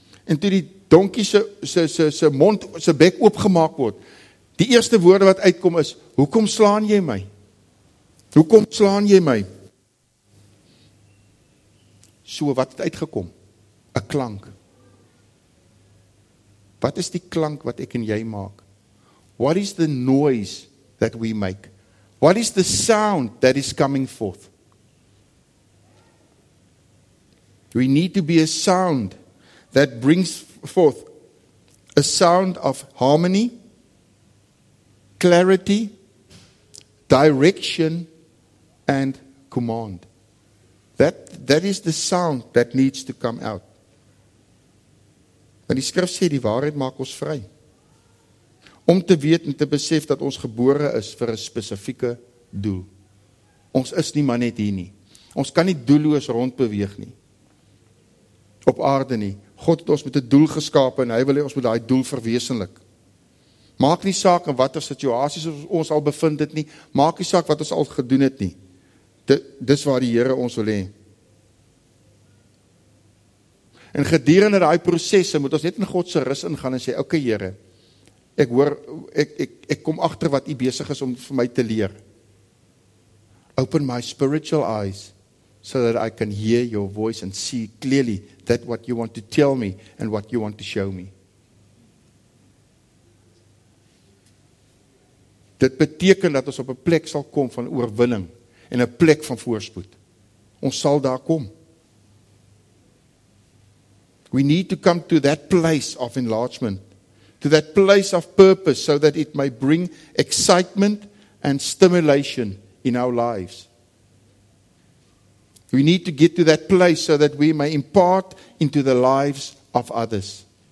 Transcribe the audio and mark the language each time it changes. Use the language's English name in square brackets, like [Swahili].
[Afrikaans] En toe die donkie se mond, se bek oopgemaak word, die eerste woorde wat uitkom is, hoekom slaan jy my? Hoekom slaan jy my? So wat het uitgekom? 'N klank. Wat is die klank wat ek en jy maak? [English] What is the noise that we make? What is the sound that is coming forth? We need to be a sound that brings forth a sound of harmony, clarity, direction, and command. That is the sound that needs to come out. [Afrikaans] Want die skrif sê, die waarheid maak ons vry. Om te weet en te besef dat ons gebore is vir 'n spesifieke doel. Ons is nie maar net hier nie. Ons kan nie doelloos rondbeweeg nie. Op aarde nie. God het ons met 'n doel geskape en Hy wil hê ons moet daai doel verwesenlik. Maak nie saak in watter situasies ons al bevind het nie. Maak nie saak wat ons al gedoen het nie. Dis waar die Here ons wil hê. En gedurende daai prosesse moet ons net in God se rus ingaan en sê, oké Here, ek hoor, ek kom agter wat U besig is om vir my te leer. [English] Open my spiritual eyes so that I can hear your voice and see clearly that what you want to tell me and what you want to show me. [Afrikaans] Dit beteken dat ons op 'n plek sal kom van oorwinning en 'n plek van voorspoed. Ons sal daar kom. [English] We need to come to that place of enlargement, to that place of purpose, so that it may bring excitement and stimulation in our lives. We need to get to that place so that we may impart into the lives of others.